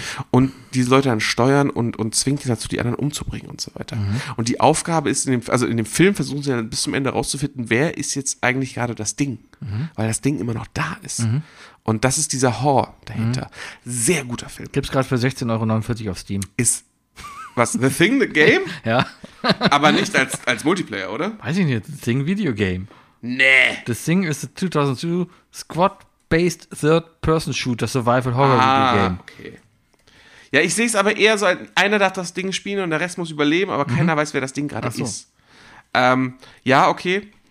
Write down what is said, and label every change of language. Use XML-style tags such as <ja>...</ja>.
<de>Und diese Leute dann steuern und zwingt ihn dazu, die anderen umzubringen und so weiter. Mhm. Und die Aufgabe ist, in dem Film versuchen sie dann bis zum Ende rauszufinden, wer ist jetzt eigentlich gerade das Ding? Mhm. Weil das Ding immer noch da ist. Mhm. Und das ist dieser Horror dahinter. Mhm. Sehr guter Film. Gibt's gerade für 16,49 € auf Steam. Ist, was, The Thing, the game? Ja. Aber nicht als Multiplayer, oder? Weiß ich nicht, The Thing Video Game. Nee.</de> <en>The Thing</en> <de>ist</de> <en>a 2002 Squad-based Third-Person-Shooter Survival Horror Video Game.</en> <de>Ah, okay. Ja, ich sehe es aber eher so, einer darf das Ding spielen und der Rest muss überleben, aber keiner weiß, wer das Ding gerade ist. Ja, okay.</de>